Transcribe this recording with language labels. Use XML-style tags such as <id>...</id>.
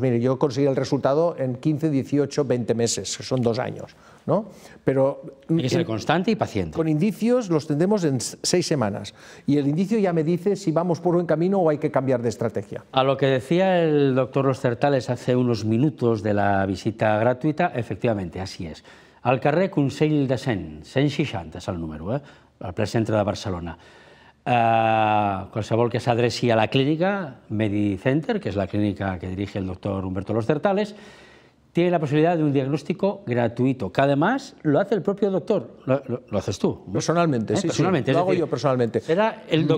<es>Mire, yo conseguí el resultado en 15, 18, 20 meses, que son 2 años, ¿no? Pero hay que ser constante y paciente. Con indicios los tendremos en 6 semanas. Y el indicio ya me dice si vamos por buen camino o hay que cambiar de estrategia. A lo que decía el doctor Ostertales hace unos minutos de la visita gratuita, efectivamente, así es.</es> <ca>Al carrer Consell de Cent, 160 és el número, al ple centre de Barcelona. Qualsevol que s'adreci a la clínica MediCenter, que és la clínica que</ca> <es>dirige el doctor Humberto Ostertales, tiene la posibilidad de un diagnóstico gratuito, que además lo hace el propio doctor. ¿Lo haces tú? Personalmente, sí. Personalmente, sí. Lo hago yo personalmente. Era el doctor.</es>